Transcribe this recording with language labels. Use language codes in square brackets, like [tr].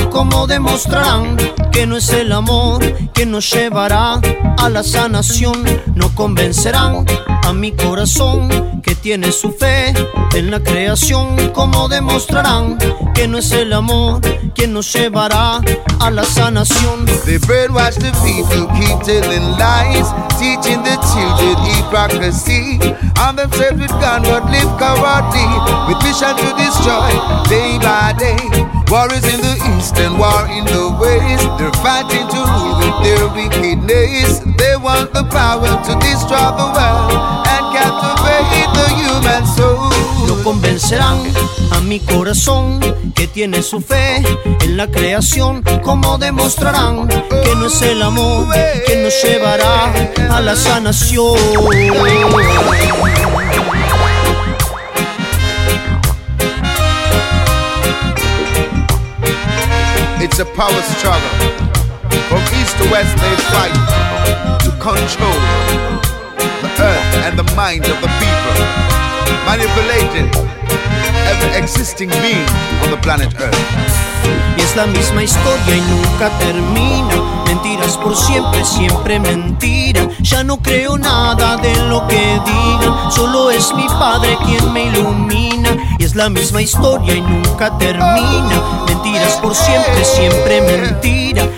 [es] ¿Cómo demostrarán que no es el amor que nos llevará a la sanación? No convencerán a mi corazón que tiene su fe en la creación. ¿Cómo demostrarán que no es el amor que nos llevará a la sanación? [en] They brainwash the people, keep telling lies, teaching the children hypocrisy. I'm themselves with God, but live cowardly, with mission to destroy day by day. War is in the east and war in the west. They're fighting to rule with their wickedness. They want the power to destroy the world and captivate the human soul. [es] No convencerán a mi corazón que tiene su fe en la creación. ¿Cómo demostrarán que no es el amor que nos llevará a la sanación? [en] It's a power struggle. From east to west they fight to control the earth and the mind of the people, manipulating every existing being on the planet earth. [es] Y es la misma historia y nunca termina. Mentiras por siempre, siempre mentira. Ya no creo nada de lo que digan. Solo es mi padre quien me ilumina. Y es la misma historia y nunca termina. Mentiras por siempre, siempre mentira.